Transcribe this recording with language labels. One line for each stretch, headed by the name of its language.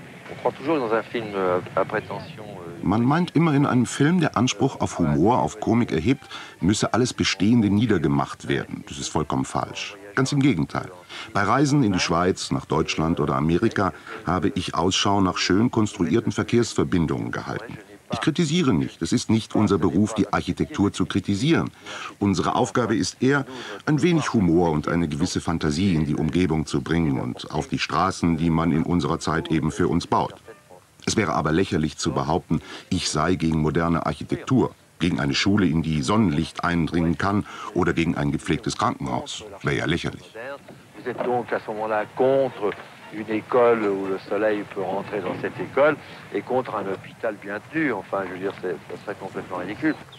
French: On croit toujours dans un film à prétention.
German: Man meint immer, in einem Film, der Anspruch auf Humor, auf Komik erhebt, müsse alles Bestehende niedergemacht werden. Das ist vollkommen falsch. Ganz im Gegenteil. Bei Reisen in die Schweiz, nach Deutschland oder Amerika habe ich Ausschau nach schön konstruierten Verkehrsverbindungen gehalten. Ich kritisiere nicht. Es ist nicht unser Beruf, die Architektur zu kritisieren. Unsere Aufgabe ist eher, ein wenig Humor und eine gewisse Fantasie in die Umgebung zu bringen und auf die Straßen, die man in unserer Zeit eben für uns baut. Es wäre aber lächerlich zu behaupten, ich sei gegen moderne Architektur, gegen eine Schule, in die Sonnenlicht eindringen kann, oder gegen ein gepflegtes Krankenhaus. Wäre ja lächerlich.
French: Vous êtes donc à ce moment-là contre une école où le soleil peut rentrer dans cette école et contre un hôpital bien tenu. Enfin, je veux dire, c'est ça serait complètement ridicule.